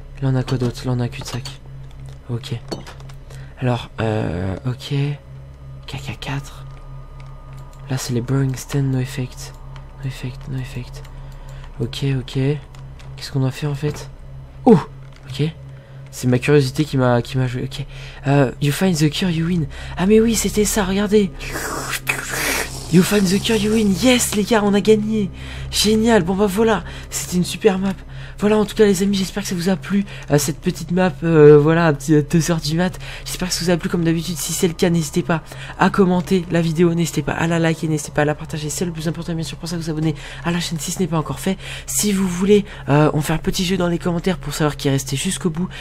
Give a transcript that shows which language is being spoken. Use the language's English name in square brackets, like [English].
[French] Là, on a quoi d'autre? Là, on a un cul-de-sac. Ok. Alors, ok. KK4. Là, c'est les Burning Sten, no effect. No effect, no effect. Ok, ok. Qu'est-ce qu'on doit faire, en fait? Oh, ok. C'est ma curiosité qui m'a joué. Ok. [English] You find the cure, you win. [French] Ah, mais oui, c'était ça, regardez. [English] You find the cure, you win. [French] Yes, les gars, on a gagné. Génial. Bon, bah voilà. C'était une super map. Voilà, en tout cas, les amis, j'espère que ça vous a plu. Cette petite map, voilà, 2h du mat. J'espère que ça vous a plu, comme d'habitude. Si c'est le cas, n'hésitez pas à commenter la vidéo. N'hésitez pas à la liker. N'hésitez pas à la partager. C'est le plus important, bien sûr. Pour ça, vous abonner à la chaîne si ce n'est pas encore fait. Si vous voulez, on fait un petit jeu dans les commentaires pour savoir qui est resté jusqu'au bout.